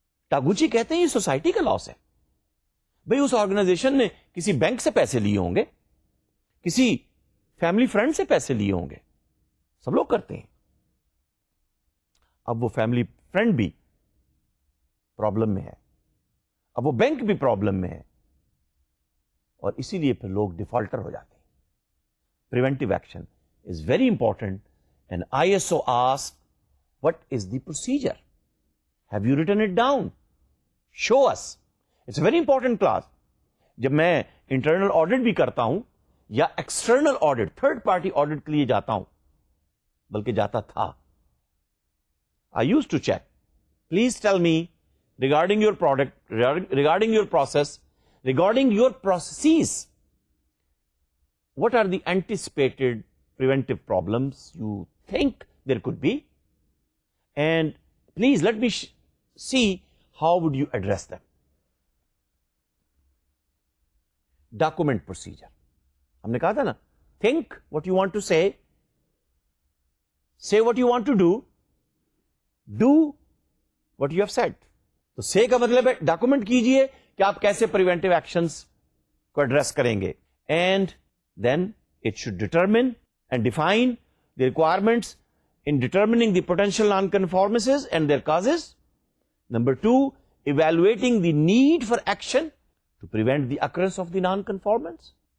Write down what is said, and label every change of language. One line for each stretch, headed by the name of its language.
Urdu: ٹاگوچی کہتے ہیں یہ سوسائٹی کا لاس ہے. بھئی اس آرگنائزیشن نے کسی بینک سے پیسے لیے ہوں گے, کسی فیملی فرینڈ سے پیسے لیے ہوں گے, سب لوگ کرتے ہیں. اب وہ فیملی فرینڈ بھی پرابلم میں ہے, اب وہ بینک بھی پرابلم میں ہے, اور اسی لیے پھر لوگ ڈیفالٹر ہو جاتے ہیں.
English: Preventive action is very important. And ISO ask what is the procedure, have you written it down, show us. It's a very important class.
Urdu: جب میں انٹرنل آڈٹ بھی کرتا ہوں یا external audit third party audit کے لیے جاتا ہوں, بلکہ جاتا تھا,
English: I use to check, please tell me regarding your product, regarding your process, regarding your processes, what are the anticipated preventive problems you think there could be, and please let me see how would you address them. Document procedure,
Urdu: humne kaha tha na,
English: think what you want to say, say what you want to do, do what you have said.
Urdu: تو سے کا مطلب ہے document کیجئے کہ آپ کیسے preventive actions کو ایڈریس کریں گے.
English: And then it should determine and define the requirements in determining the potential non conformances and their causes. Number two, evaluating the need for action to prevent the occurrence of the non conformance.